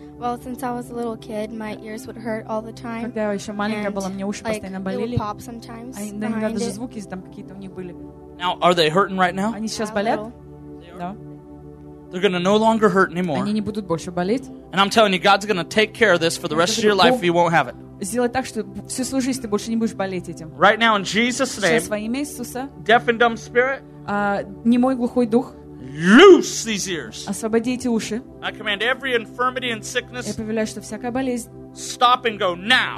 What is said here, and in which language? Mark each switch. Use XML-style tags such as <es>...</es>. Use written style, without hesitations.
<en>Well, since I was a little kid, my ears would hurt all the time.</en> <ru>Когда я еще маленькая была, мне уши постоянно болели.</ru> <en>Like, it would pop sometimes.</en> <ru>А иногда даже звуки там какие-то у них были.</ru> <en>Now, are they hurting right now?</en> <ru>Они сейчас болят?</ru> <en>Да. They're going to no longer hurt anymore.</en> <ru>Они не будут больше болеть.</ru> <en>And I'm telling you, God's going to take care of this for the rest of your life, you won't have it.</en> <ru>Сделай так, что всю свою жизнь ты больше не будешь болеть этим.</ru> <en>Right now, in Jesus' name,</en> <ru>сейчас во имя Иисуса,</ru> <en>deaf and dumb spirit,</en> <ru>немой глухой дух,</ru> <en>loose these ears.</en> <ru>Освободи эти уши.</ru> <en>I command every infirmity and sickness,</en> <ru>я повелеваю, что всякая болезнь,</ru> <en>stop and go now.</en>